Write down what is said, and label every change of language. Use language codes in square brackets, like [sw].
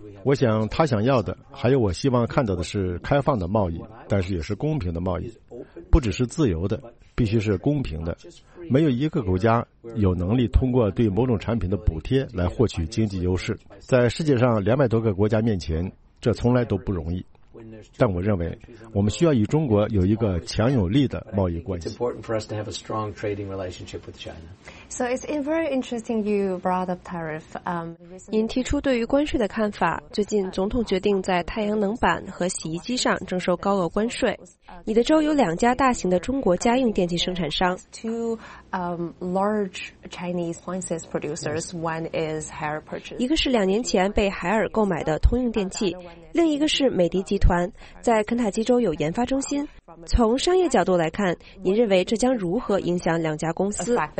[zh] 我想他想要的，还有我希望看到的是开放的贸易，但是也是公平的贸易，不只是自由的，必须是公平的。没有一个国家有能力通过对某种产品的补贴来获取经济优势。在世界上200多个国家面前，这从来都不容易。但我认为我们需要与中国有一个强有力的贸易关系。 [en] It's important for us to have a strong trading relationship with China. So it's very interesting you brought up tariff. [zh] 您提出对于关税的看法，最近总统决定在太阳能板和洗衣机上征收高额关税。你的州有两家大型的中国家用电器生产商。 [en] Two large Chinese appliances producers. One is Haier purchase. [zh] 一个是两年前被海尔购买的通用电器，另一个是美的集团，在肯塔基州有研发中心。从商业角度来看，您认为这将如何影响两家公司？